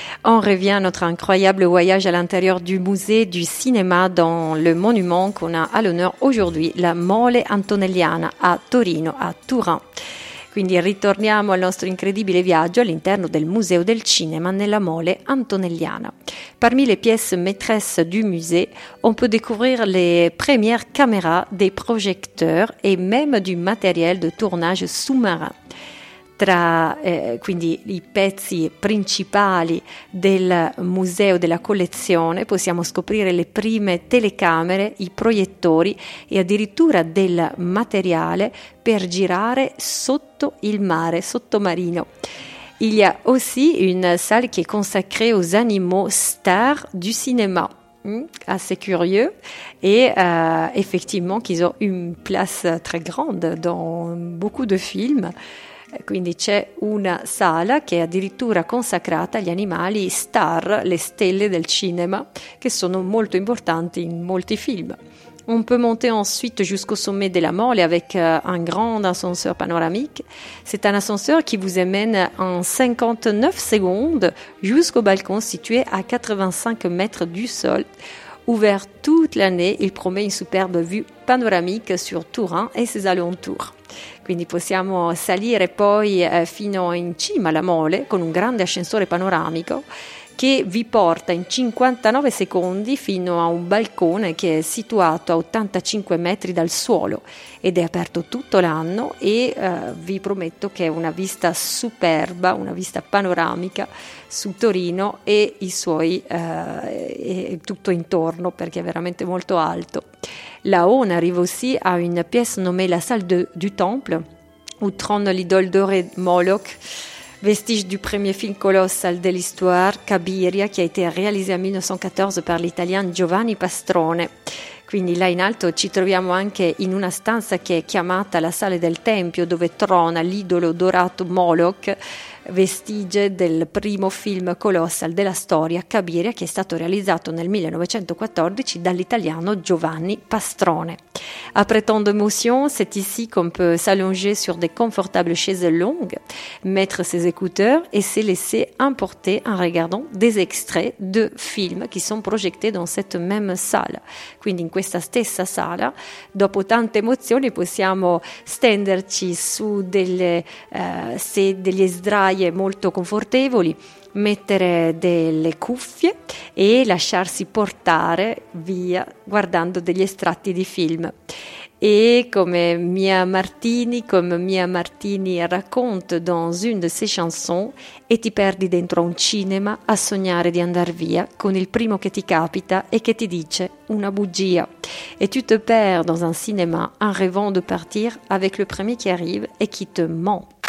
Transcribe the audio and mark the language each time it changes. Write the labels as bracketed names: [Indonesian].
[French] On revient à notre incroyable voyage à l'intérieur du musée du cinéma dans le monument qu'on a à l'honneur aujourd'hui, la Mole Antonelliana à Torino, à Turin. [Italian] Quindi ritorniamo al nostro incredibile viaggio all'interno del Museo del Cinema nella Mole Antonelliana. [French] Parmi les pièces maîtresses du musée, on peut découvrir les premières caméras, des projecteurs et même du matériel de tournage sous-marin. [Italian] Tra quindi i pezzi principali del museo, della collezione, possiamo scoprire le prime telecamere, i proiettori e addirittura del materiale per girare sotto il mare, sottomarino. [French] Il y a aussi une salle qui est consacrée aux animaux stars du cinéma. Assez curieux et effectivement qu'ils ont une place très grande dans beaucoup de films. [Italian] Quindi c'è una sala che è addirittura consacrata agli animali star, le stelle del cinema, che sono molto importanti in molti film. [French] On peut monter ensuite jusqu'au sommet de la Mole avec un grand ascenseur panoramique. C'est un ascenseur qui vous amène en 59 secondes jusqu'au balcon situé à 85 mètres du sol. Ouvert toute l'année, il promet une superbe vue panoramique sur Turin et ses alentours. [Italian] Quindi possiamo salire poi fino in cima alla Mole con un grande ascensore panoramico che vi porta in 59 secondi fino a un balcone che è situato a 85 metri dal suolo ed è aperto tutto l'anno e vi prometto che è una vista superba, una vista panoramica su Torino e i suoi e tutto intorno perché è veramente molto alto. [French] Là haut, on arrive aussi à une pièce nommée la salle du temple où trône l'idole dorée Moloch. Vestige du premier film colossal de l'histoire, Cabiria, qui a été réalisé en 1914 par l'italien Giovanni Pastrone. [Italian] Quindi là in alto ci troviamo anche in una stanza che è chiamata la Sala del Tempio, dove trona l'idolo dorato Moloch, vestige del primo film colossal della storia, Cabiria, che è stato realizzato nel 1914 dall'italiano Giovanni Pastrone. [French] Après tant d'émotions, c'est ici qu'on peut s'allonger sur des confortables chaises longues, mettre ses écouteurs et se laisser emporter en regardant des extraits de films qui sont projetés dans cette même salle. [Italian] Quindi in questa stessa sala, dopo tante emozioni, possiamo stenderci su degli sdraie molto confortevoli, mettere delle cuffie e lasciarsi portare via guardando degli estratti di film. E come Mia Martini racconta [French] dans une de ses chansons, [Italian] e ti perdi dentro un cinema a sognare di andare via con il primo che ti capita e che ti dice una bugia. [French] E tu te perds dans un cinéma en rêvant de partir avec le premier qui arrive et qui te ment.